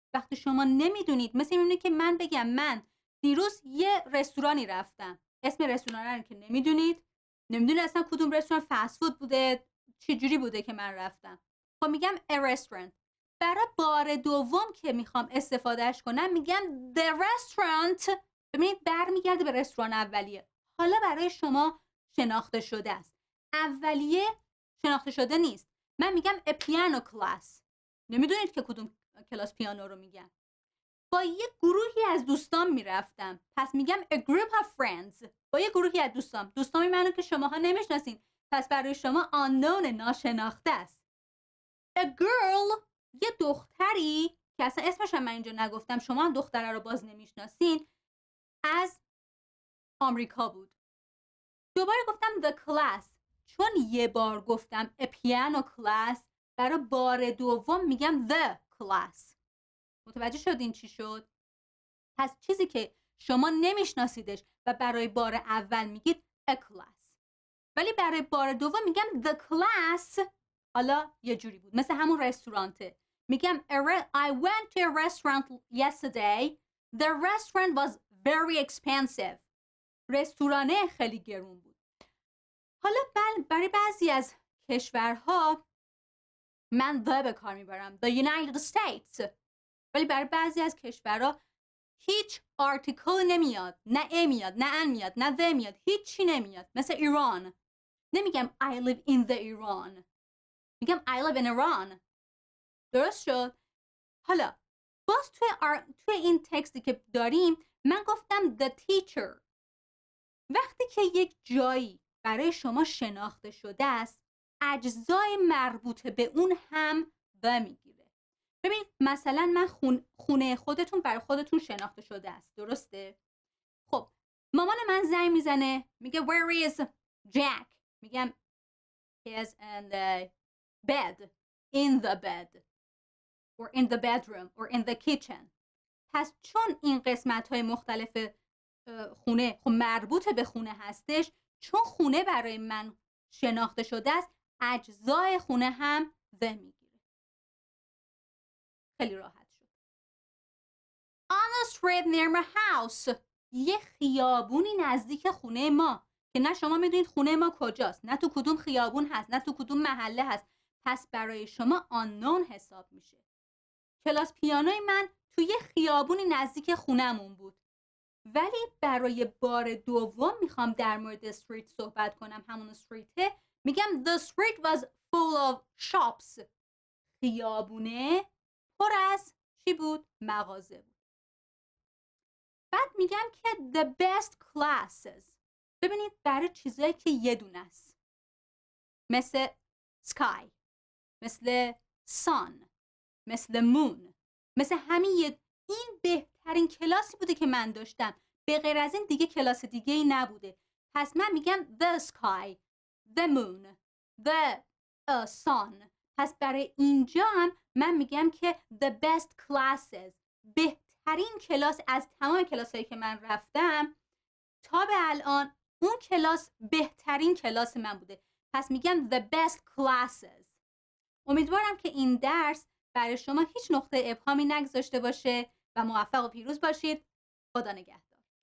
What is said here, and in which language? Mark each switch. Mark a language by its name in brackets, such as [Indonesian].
[Persian] وقتی شما نمیدونید، مثل اینه که من بگم من دیروز یه رستورانی رفتم، اسم رستوران رو که نمیدونید، نمیدونید اصلا کدوم رستوران فست فود بوده، چه جوری بوده که من رفتم. خب میگم [English] a restaurant. [Persian] برای بار دوم که میخوام استفادهش کنم میگم [English] the restaurant. [Persian] ببینید برمیگرده به رستوران اولیه. حالا برای شما شناخته شده است، اولیه شناخته شده نیست. من میگم [English] a piano class. [Persian] نمیدونید که کدوم کلاس پیانو رو میگم. با یه گروهی از دوستان میرفتم، پس میگم [English] a group of friends. [Persian] با یه گروهی از دوستان، دوستانی منو که شماها نمیشناسین، پس برای شما unknown، ناشناخته است. [English] A girl، [Persian] یه دختری که اصلا اسمش هم من اینجا نگفتم، شما هم دختره رو باز نمیشناسین، از آمریکا بود. دوباره گفتم [English] the class. [Persian] چون یه بار گفتم [English] a piano class، [Persian] برای بار دوم میگم the class. متوجه شدین چی شد؟ پس چیزی که شما نمیشناسیدش و برای بار اول میگید [English] a class، [Persian] ولی برای بار دوم میگم [English] the class. [Persian] حالا یه جوری بود، مثل همون رستورانته، میگم [English] I went to a restaurant yesterday. The restaurant was very expensive. [Persian] رستورانه خیلی گرون بود. حالا برای بعضی از کشورها من the به کار میبرم، [English] the United States، [Persian] ولی برای بعضی از کشورها هیچ آرتیکل نمیاد، نه a میاد، نه an میاد، نه the میاد، هیچی نمیاد. مثل ایران نمیگم [English] I live in the Iran، [Persian] میگم [English] I live in Iran. [Persian] درست شد؟ حالا باز توی این تکستی که داریم من گفتم [English] the teacher. [Persian] وقتی که یک جایی برای شما شناخته شده است، اجزای مربوطه به اون هم و میگیره. ببینید مثلا من خونه خودتون برای خودتون شناخته شده است، درسته؟ خب مامان من زنگ میزنه میگه [English] where is Jack؟ [Persian] میگم [English] he is in the bed، in the bed or in the bedroom or in the kitchen. [Persian] پس چون این قسمت های مختلف خونه خب مربوطه به خونه هستش، چون خونه برای من شناخته شده است، اجزای خونه هم the میگیره. خیلی راحت شد. [English] On the street near my house. [Persian] یه خیابونی نزدیک خونه ما، که نه شما میدونید خونه ما کجاست، نه تو کدوم خیابون هست، نه تو کدوم محله هست، پس برای شما unknown حساب میشه. کلاس پیانوی من توی خیابونی نزدیک خونمون بود. ولی برای بار دوم میخوام در مورد street صحبت کنم، همون streete، میگم [English] the street was full of shops. [Persian] خیابونه پر از چی بود؟ مغازه بود. بعد میگم که [English] the best classes. [Persian] ببینید برای چیزایی که یه دونه است، مثل sky، مثل sun، مثل moon، مثل همین، این بهترین کلاسی بوده که من داشتم، به غیر از این دیگه کلاس دیگه ای نبوده. پس من میگم [English] the sky، the moon، the sun، [Persian] پس برای اینجا هم من میگم که [English] the best classes، [Persian] بهترین کلاس از تمام کلاسایی که من رفتم تا به الان، اون کلاس بهترین کلاس من بوده. پس میگم [English] the best classes. [Persian] امیدوارم که این درس برای شما هیچ نقطه ابهامی نگذاشته باشه و موفق و پیروز باشید. خدا نگهدار.